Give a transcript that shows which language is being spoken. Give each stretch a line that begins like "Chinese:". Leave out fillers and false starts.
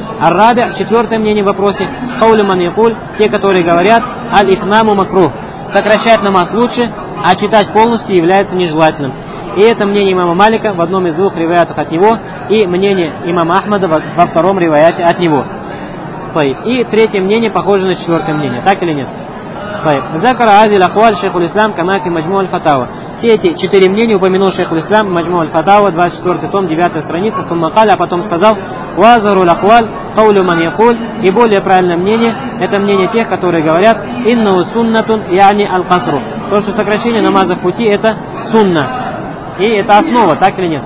Russian: «Ар-рабиа» – четвертое мнение в вопросе.
Arabic: «Каулю ман якуль»
Russian: – те, которые говорят
Arabic: «Аль-Итмаму макрух»
Russian: – сокращать намаз лучше, а читать полностью является нежелательным. И это мнение имама Малика в одном из двух риваятов от него, и мнение имама Ахмада во втором риваяте от него. И третье мнение похоже на четвертое мнение, так или нет?
Arabic: طيب. ذكر هذه الأقوال شيخ الإسلام كما في مجموع الفتاوى.
Russian: Все эти четыре мнения упомянул шейх ислам в Маджму аль-Фатава, 24 том, 9 страница,
Arabic: сумма каля,
Russian: а потом сказал:
Arabic: «Уазару лахваль, каулю ман якуль»,
Russian: и более правильное мнение, это мнение тех, которые говорят:
Arabic: «Инна усуннатун, яни аль-касру».
Russian: То, что сокращение намаза в пути, это сунна. И это основа, так или нет?